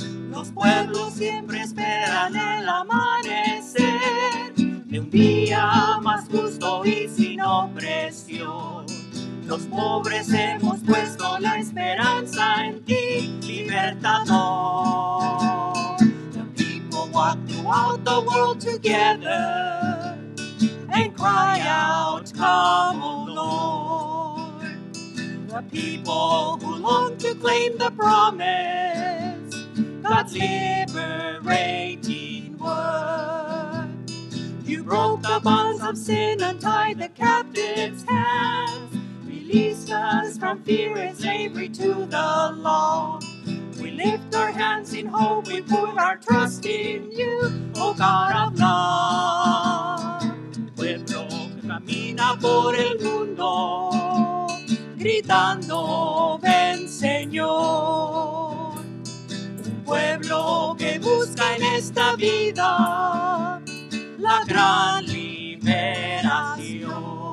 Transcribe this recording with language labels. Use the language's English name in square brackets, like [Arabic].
[Spanish] Los pueblos siempre esperan el amanecer de un día más justo y sin opresión. Los pobres hemos puesto la esperanza en ti, libertador. [English] The people walk throughout the world together and cry out, come, O Lord. The people who long to claim the promise, God's liberating word. You broke the bonds of sin, untied the captive's hands. Released us from fear and slavery to the law. We lift our hands in hope, we put our trust in you, O God of love. [Spanish] Pueblo que camina por el mundo, gritando, ven Señor. Un pueblo que busca en esta vida la gran liberación.